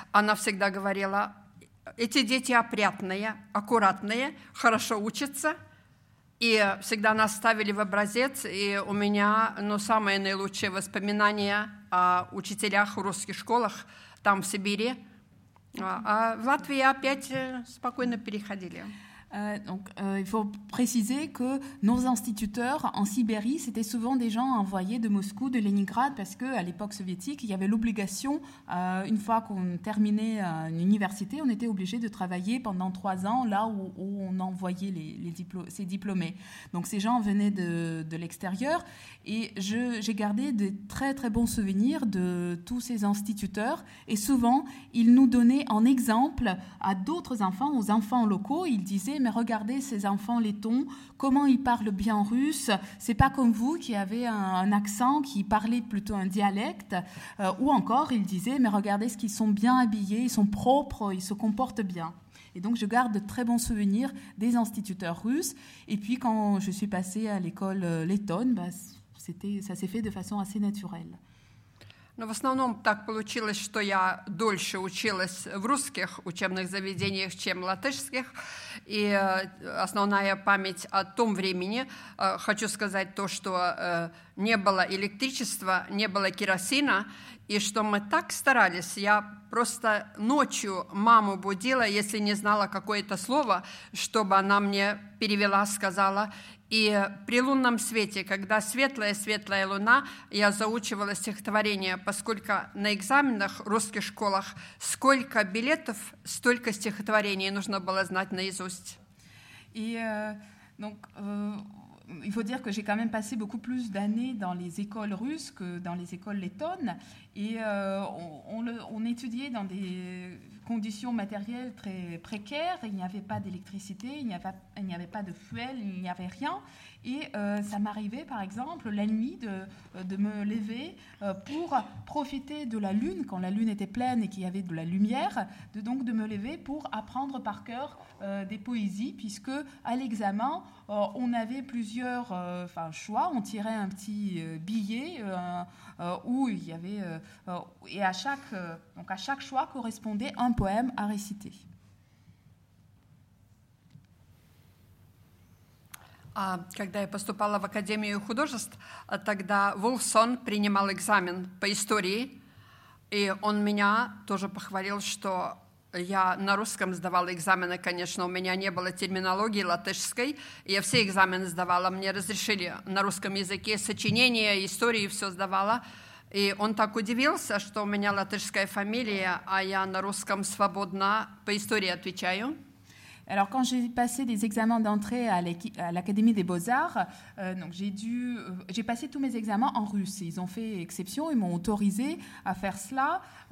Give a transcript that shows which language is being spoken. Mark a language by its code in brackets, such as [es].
[ru] Она всегда говорила, эти дети опрятные, аккуратные, хорошо учатся. И всегда нас ставили в образец, и у меня, ну, самые наилучшие воспоминания о учителях в русских школах там, в Сибири. А в Латвии опять спокойно переходили. [fr] Donc, il faut préciser que nos instituteurs en Sibérie, c'était souvent des gens envoyés de Moscou, de Leningrad, parce qu'à l'époque soviétique, il y avait l'obligation, une fois qu'on terminait une université, on était obligé de travailler pendant 3 ans là où on envoyait ces diplômés. Donc ces gens venaient de l'extérieur et j'ai gardé de très très bons souvenirs de tous ces instituteurs et souvent, ils nous donnaient en exemple à d'autres enfants, aux enfants locaux, ils disaient mais regardez ces enfants lettons, comment ils parlent bien russe. C'est pas comme vous qui avez un accent, qui parlez plutôt un dialecte. Ou encore, ils disaient, mais regardez ce qu'ils sont bien habillés, ils sont propres, ils se comportent bien. Et donc, je garde de très bons souvenirs des instituteurs russes. Et puis, quand je suis passée à l'école lettonne, bah, ça s'est fait de façon assez naturelle. [ru] Но в основном так получилось, что я дольше училась в русских учебных заведениях, чем в латышских. И основная память о том времени, хочу сказать то, что не было электричества, не было керосина, и что мы так старались. Я просто ночью маму будила, если не знала какое-то слово, чтобы она мне перевела, сказала. И при лунном свете, когда светлая-светлая луна, я заучивала стихотворение, поскольку на экзаменах в русских школах сколько билетов, столько стихотворений нужно было знать наизусть. И, [fr] donc, il faut dire que j'ai quand même passé beaucoup plus d'années dans les écoles russes que dans les écoles lettonnes. Et on étudiait dans des conditions matérielles très précaires. Il n'y avait pas d'électricité, il n'y avait pas de fuel, il n'y avait rien. Et ça m'arrivait, par exemple, la nuit de me lever pour profiter de la lune, quand la lune était pleine et qu'il y avait de la lumière, de me lever pour apprendre par cœur des poésies, puisque à l'examen, on avait plusieurs choix. On tirait un petit billet où il y avait... et à chaque choix correspondait un poème à réciter. [ru] Когда я поступала в Академию художеств, тогда Вулфсон принимал экзамен по истории, и он меня тоже похвалил, что я на русском сдавала экзамены, конечно, у меня не было терминологии латышской, я все экзамены сдавала, мне разрешили на русском языке сочинения, истории, все сдавала. И он так удивился, что у меня латышская фамилия, а я на русском свободно по истории отвечаю. [fr] Alors, quand j'ai passé des examens d'entrée à l'Académie des Beaux-Arts, j'ai passé tous mes examens en russe. Ils ont fait exception, ils m'ont autorisé à faire cela.